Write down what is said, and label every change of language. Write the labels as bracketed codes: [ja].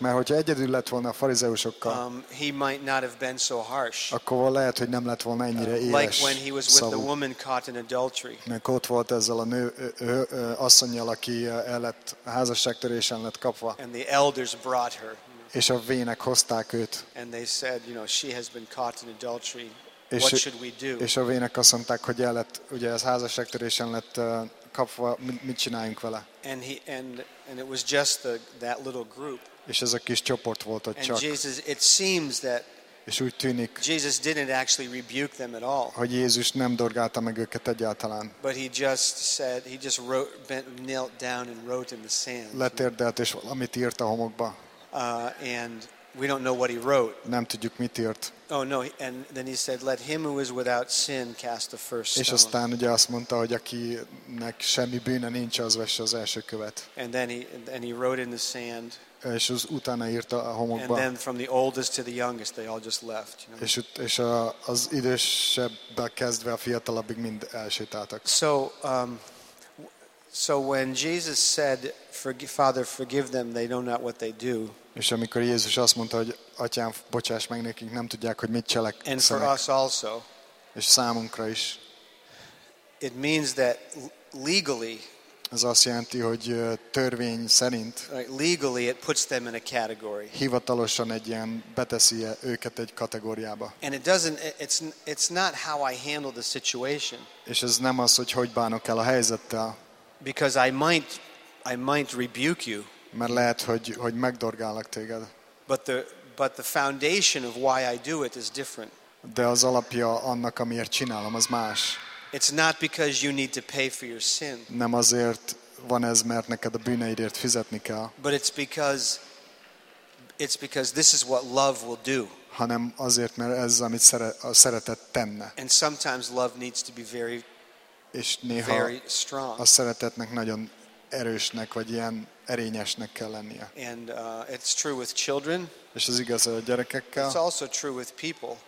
[hu] Mert hogyha egyedül lett volna a farizeusokkal, [en] he might not have been so harsh. [hu] Akkor lehet, hogy nem lett volna ennyire éles [en] like when he was with [hu] szavú. [en] The woman caught in adultery. [hu] Mert ott volt ezzel a nő asszonnyal, aki elett házasságtörésen lett kapva. [en] And the elders brought her. [hu] És a vének hozták őt. [en] And they said, you know, she has been caught in adultery. What should we do? [hu] És a vének azt mondták, hogy el lett, ugye ez házasságtörésen lett kapva, mit csináljunk vele? [en] And it was just that little group. [hu] És ez a kis csoport volt ott csak. [en] Jesus, it seems that [hu] és úgy tűnik, [en] Jesus didn't actually rebuke them at all. [hu] Hogy Jézus nem dorgálta meg őket egyáltalán. [en] But he just said, he just wrote, bent, knelt down and wrote in the sand. [hu] Letérdelt, és valamit írt a homokba. [en] And we don't know what he wrote. [hu] Nem tudjuk, mit írt. [en] Oh no, and then he said, let him who is without sin cast the first stone. [hu] És aztán ugye azt mondta, hogy akinek semmi bűne nincs, az vesse az első követ. [en] And then he wrote in the sand. [hu] És az utána írt a homokba. [en] And then from the oldest to the youngest, they all just left. You know? [hu] És az idősebbtől kezdve a fiatalabbig mind elsétáltak. [en] So when Jesus said, Father, forgive them, they know not what they do. [hu] És amikor Jézus azt mondta, hogy Atyám, bocsáss meg nekik, nem tudják, hogy mit cselekszenek. [en] And for us also. [hu] És számunkra is. [en] It means that legally. [hu] Ez azt jelenti, hogy törvény szerint. [en] Right, legally it puts them in a category. [hu] Hivatalosan egy ilyen beteszi őket egy kategóriába. [en] And it doesn't, it's not how I handle the situation. [hu] És ez nem az, hogy bánok el a helyzettel. [en] Because I might rebuke you. [hu] Mert lehet, hogy megdorgálak téged. [en] But the foundation of why I do it is different. [hu] De az alapja annak, amiért csinálom, az más. [en] It's not because you need to pay for your sin. [hu] Nem azért van ez, mert neked a bűneidért fizetni kell. [en] But it's because this is what love will do. [hu] Hanem azért, mert ez, amit a szeretet tenne. [en] And sometimes love needs to be very, [hu] és néha [en] very strong. [hu] A szeretetnek nagyon erősnek, vagy ilyen erényesnek kell lennie. [en] And it's true with children. [hu] És ez igaz a gyerekekkel. [en] It's also true with people.